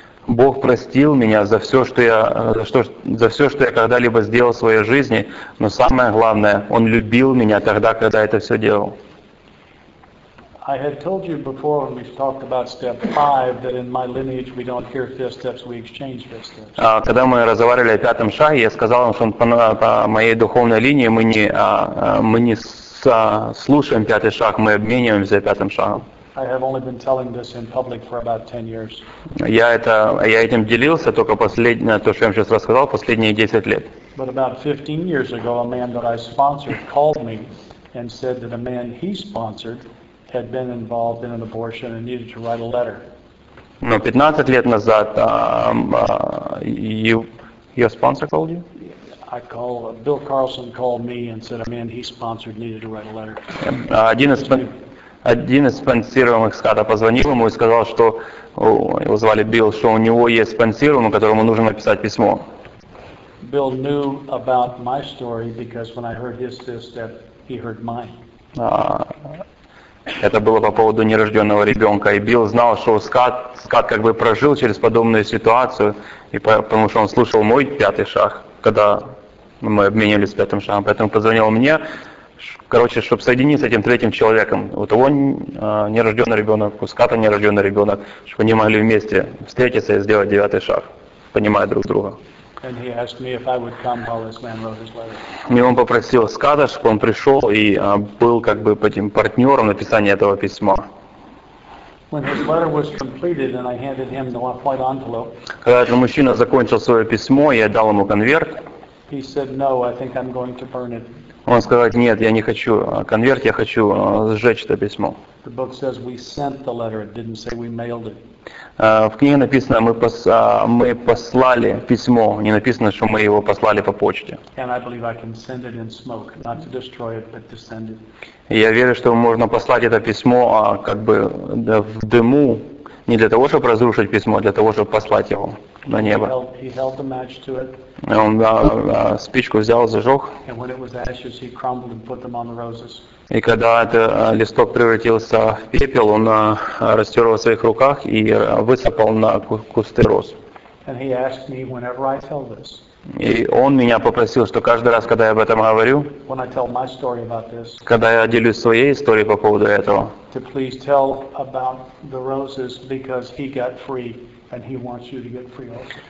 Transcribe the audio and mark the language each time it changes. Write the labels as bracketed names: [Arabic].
[Russian] Бог простил меня за все, что я когда-либо сделал в своей жизни, но самое главное, Он любил меня тогда, когда это все делал. [English] I had told you before when we talked about step five that in my lineage we don't hear fifth steps, we exchange fifth steps. [Russian] Когда мы разговаривали о пятом шаге, я сказал вам, что по моей духовной линии мы не слушаем пятый шаг, мы обмениваемся пятым шагом. [English] I have only been telling this in public for about 10 years. [Russian] Я этим делился только последнее, то, что я вам сейчас рассказал, последние 10 лет. [English] But about 15 years ago, a man that I sponsored called me and said that a man he sponsored had been involved in an abortion and needed to write a letter. [Russian] Но 15 лет назад, [English] your sponsor called you? Bill Carlson called me and said a man he sponsored needed to write a letter. [Russian] Один из спонсируемых ската позвонил ему и сказал, что его звали Билл, что у него есть спонсируемый, которому нужно написать письмо. [English] Билл knew about my story because when I heard his fifth step, he heard mine. [Russian] Это было по поводу нерожденного ребенка, и Билл знал, что скат как бы прожил через подобную ситуацию, и потому что он слушал мой пятый шаг, когда мы обменивались пятым шагом, поэтому позвонил мне. Короче, чтобы соединиться с этим третьим человеком, у того нерожденный ребенок, у ската нерожденный ребенок, чтобы они могли вместе встретиться и сделать девятый шаг, понимая друг друга. И он попросил ската, чтобы он пришел и был как бы этим партнером написания этого письма. [English] When his letter was completed and I handed him the white envelope, [Russian] когда этот мужчина закончил свое письмо, я дал ему конверт. [English] He said, "No, I think I'm going to burn it." [Russian] Он сказал, нет, я не хочу конверт, я хочу сжечь это письмо. [English] The book says we sent the letter, it didn't say we mailed it. [Russian] В книге написано, мы послали письмо, не написано, что мы его послали по почте. [English] And I believe I can send it in smoke, not to destroy it, but to send it. [Russian] Я верю, что можно послать это письмо, как бы в дыму, не для того, чтобы разрушить письмо, а для того, чтобы послать его на небо. [English] He held the match to it. [Russian] Он спичку взял, зажег. [English] And when it was ashes, he crumbled and put them on the roses. [Russian] И когда этот листок превратился в пепел, он растер его в своих руках и высыпал на кусты роз. [English] And he asked me whenever I tell this. [Russian] И он меня попросил, что каждый раз, когда я об этом говорю, [English] when I tell my story about this, [Russian] когда я делюсь своей историей по поводу этого, [English] to please tell about the roses because he got free. And he wants you to get free also.